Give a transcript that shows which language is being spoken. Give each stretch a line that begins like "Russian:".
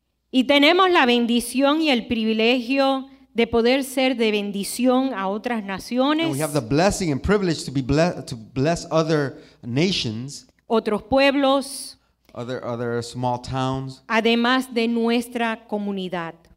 Spanish: Y tenemos la bendición y el privilegio de poder ser de bendición a otras naciones.
English: And we have the blessing and privilege to be to bless other nations.
Spanish: Otros pueblos.
English: Other small towns.
Spanish: Además de nuestra comunidad.